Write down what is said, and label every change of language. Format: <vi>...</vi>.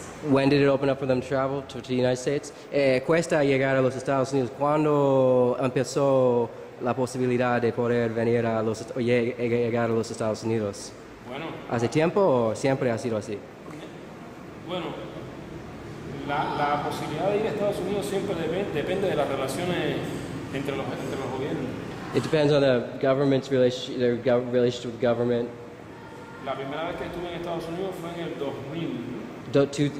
<en>When did it open up for them to travel to the United States?</en> <es>Cuesta llegar a los Estados Unidos. ¿Cuándo empezó la posibilidad de poder venir a los llegar a los Estados Unidos? Bueno. ¿Hace tiempo o siempre ha sido así? Bueno, la posibilidad de ir a Estados Unidos siempre depende de las relaciones entre los gobiernos.</es> <en>It depends on the government's relationship, their relationship with government.</en> <es>La primera vez que estuve en Estados Unidos fue en el 2000.</es>